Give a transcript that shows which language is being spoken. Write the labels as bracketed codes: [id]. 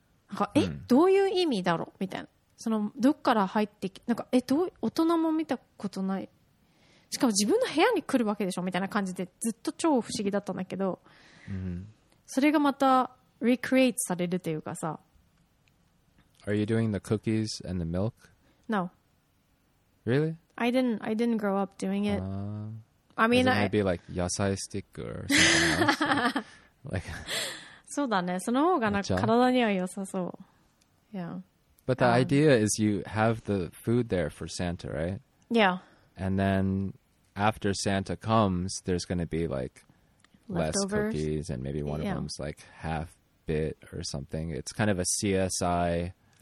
[ja] なんか、どういう意味だろうみたいな。そのどっから入ってきなんかどう大人も見たことないしかも自分の部屋に来るわけでしょみたいな感じでずっと超不思議だったんだけど、それがまた recreate されるというかさ。 [en] Are you doing the cookies and the milk? No. Really? I didn't grow up doing it. I mean, it might be like 野菜スティックor something else. [ja] like. そうだね。その方がなんか体には良さそう。 [en] Yeah. But the idea is you have the food there for Santa, right? Yeah. And then after Santa comes, there's going to be like leftovers. Less cookies and maybe one of them's like half bit or something. It's kind of a CSI